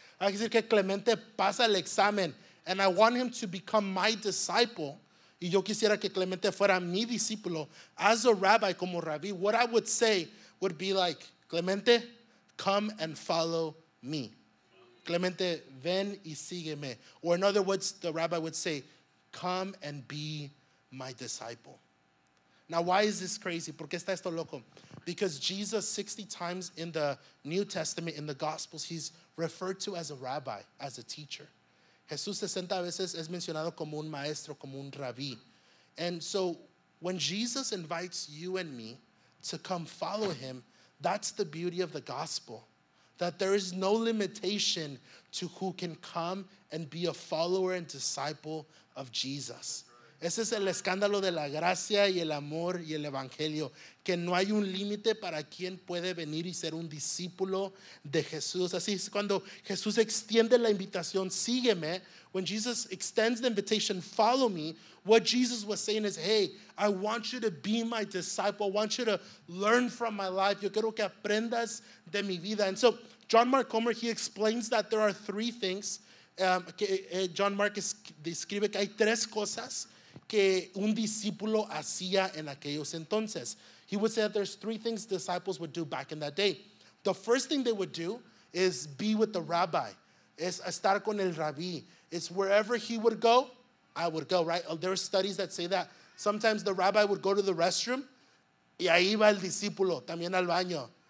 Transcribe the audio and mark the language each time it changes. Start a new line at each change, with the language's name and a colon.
Spanish: Hay que decir que Clemente pasa el examen.
English: And I want him to become my disciple.
Spanish: Y yo quisiera que Clemente fuera mi discípulo.
English: As a rabbi,
Spanish: como rabí,
English: what I would say would be like, Clemente, come and follow me.
Spanish: Clemente, ven y sígueme.
English: Or in other words, the rabbi would say, come and be my disciple. Now, why is this crazy?
Spanish: ¿Por qué está esto loco?
English: Because Jesus, 60 times in the New Testament, in the Gospels, he's referred to as a rabbi, as a teacher.
Spanish: Jesús 60 veces es mencionado como un maestro, como un rabí.
English: And so when Jesus invites you and me to come follow him, that's the beauty of the gospel, that there is no limitation to who can come and be a follower and disciple of Jesus.
Spanish: Ese es el escándalo de la gracia y el amor y el evangelio, que no hay un límite para quien puede venir y ser un discípulo de Jesús. Así es cuando Jesús extiende la invitación, sígueme.
English: When Jesus extends the invitation, follow me, what Jesus was saying is, hey, I want you to be my disciple. I want you to learn from my life.
Spanish: Yo quiero que aprendas de mi vida.
English: And so John Mark Comer, he explains that there are three things.
Spanish: John Mark describe que hay tres cosas que un discípulo hacía en aquellos entonces.
English: He would say that there's three things disciples would do back in that day. The first thing they would do is be with the rabbi.
Spanish: Es estar con el rabí.
English: It's wherever he would go, I would go, right? There are studies that say that. Sometimes the rabbi would go to the restroom,
Spanish: y ahí va el discípulo, también al baño.